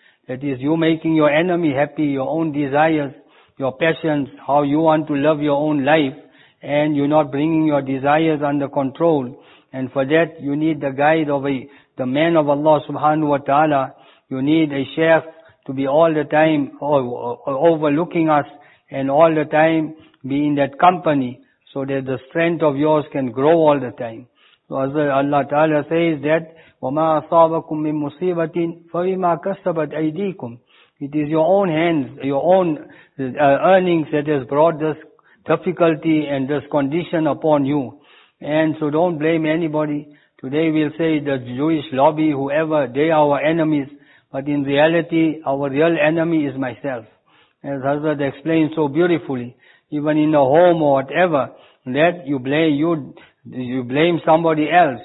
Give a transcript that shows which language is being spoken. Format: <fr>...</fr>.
<en>That is you making your enemy happy, your own desires, your passions, how you want to live your own life, and you're not bringing your desires under control. And for that, you need the guide of the man of Allah subhanahu wa ta'ala. You need a sheikh to be all the time overlooking us and all the time be in that company so that the strength of yours can grow all the time. So as Allah Ta'ala says that,</en> <ar>وَمَا أَصَابَكُم مِّن مُصِيبَةٍ فَوِمَا كَسَّبَتْ أَيْدِيكُمْ.</ar> <en>It is your own hands, your own earnings that has brought this difficulty and this condition upon you. And so don't blame anybody. Today we'll say the Jewish lobby, whoever, they are our enemies. But in reality, our real enemy is myself. As Hazrat explained so beautifully, even in a home or whatever, that you blame somebody else.</en>